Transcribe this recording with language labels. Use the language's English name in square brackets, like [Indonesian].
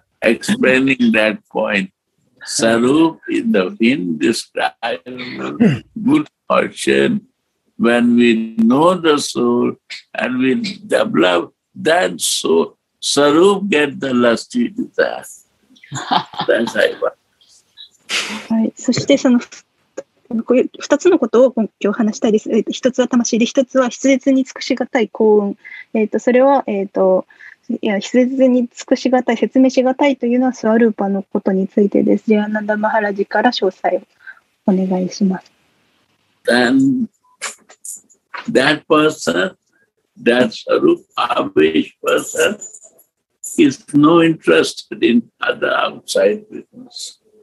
[English] Explaining that point. Sarup is the indescribable good fortune. When we know the soul and we develop that soul, Sarup gets the lusty desire. [Japanese] はい、そしてその2つのことを今日話したいです。 1つは魂で、1つは筆舌に尽くしがたい幸運。それは、筆舌に尽くしがたい、説明しがたいというのはスワルーパのことについてです。ジアナンダ・マハラジから詳細をお願いします。 [English] Then that person, that Swarupa wish person,is no interested in other outside business.